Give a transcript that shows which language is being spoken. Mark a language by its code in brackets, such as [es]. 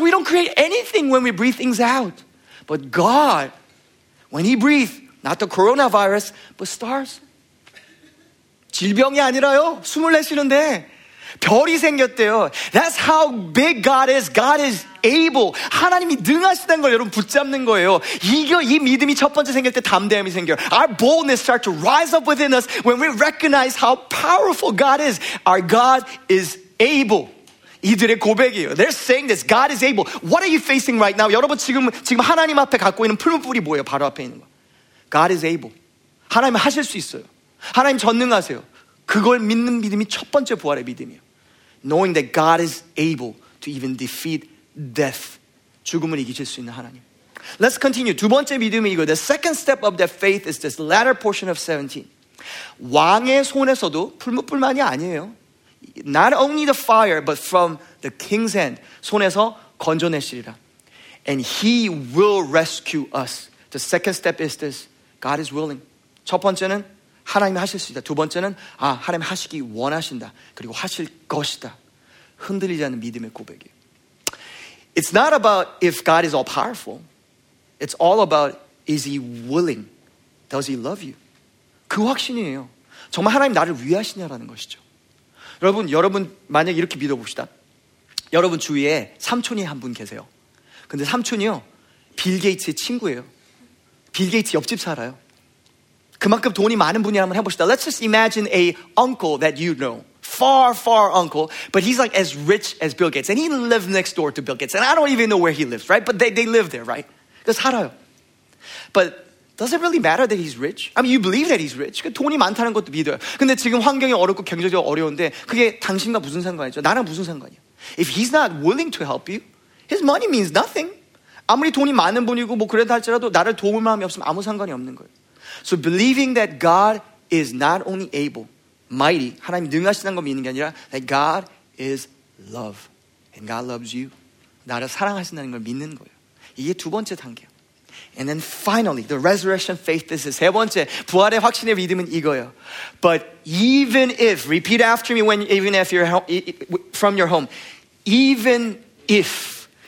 [en] We don't create anything when we breathe things out. But God, when He breathes, not the coronavirus, but stars. [ko] 질병이 아니라요. 숨을 내쉬는데 별이 생겼대요. [en] That's how big God is. God is able. [ko] 하나님이 능하시다는 걸 여러분 붙잡는 거예요. 이 믿음이 첫 번째 생길 때 담대함이 생겨요. [en] Our boldness starts to rise up within us when we recognize how powerful God is. Our God is able. [ko] 이들의 고백이에요. [en] They're saying this. God is able. What are you facing right now? [ko] 여러분 지금 하나님 앞에 갖고 있는 풀뿌리 뭐예요? 바로 앞에 있는 거. [en] God is able. [ko] 하나님 하실 수 있어요. 하나님 전능하세요. 그걸 믿는 믿음이 첫 번째 부활의 믿음이에요. [en] Knowing that God is able to even defeat death. [ko] 죽음을 이기실 수 있는 하나님. [en] Let's continue. [ko] 두 번째 믿음이 이거. [en] The second step of that faith is this latter portion of 17. [ko] 왕의 손에서도 풀무불만이 아니에요. [en] Not only the fire, but from the king's hand. [ko] 손에서 건져내시리라. [en] And he will rescue us. The second step is this. God is willing. [ko] 첫 번째는 하나님이 하실 수 있다. 두 번째는 아 하나님이 하시기 원하신다. 그리고 하실 것이다. 흔들리지 않는 믿음의 고백이에요. [en] It's not about if God is all powerful. It's all about is he willing? Does he love you? [ko] 그 확신이에요. 정말 하나님 나를 위하시냐라는 것이죠. 여러분 만약 이렇게 믿어봅시다. 여러분 주위에 삼촌이 한 분 계세요. 근데 삼촌이요 빌 게이츠의 친구예요. 빌 게이츠 옆집 살아요. 그만큼 돈이 많은 분이라면 해봅시다. [en] Let's just imagine a uncle that you know. Far, far uncle. But he's like as rich as Bill Gates. And he lives next door to Bill Gates. And I don't even know where he lives, right? But they live there, right? [ko] 살아요. [en] But does it really matter that he's rich? I mean, you believe that he's rich. [ko] 돈이 많다는 것도 믿어요. 근데 지금 환경이 어렵고 경제적으로 어려운데 그게 당신과 무슨 상관이죠? 나랑 무슨 상관이야? [en] If he's not willing to help you, his money means nothing. [ko] 아무리 돈이 많은 분이고 뭐 그래도 할지라도 나를 도울 마음이 없으면 아무 상관이 없는 거예요. [en] So believing that God is not only able, mighty, [ko] 하나님 능하시다는 걸 믿는 게 아니라 [en] that God is love and God loves you, [ko] 나를 사랑하신다는 걸 믿는 거예요. 이게 두 번째 단계예요. [en] And then finally, the resurrection faith, this is [ko] 세 번째, 부활의 확신의 믿음은 이거예요. [en] But even if, repeat after me, even if you're from your home, even if,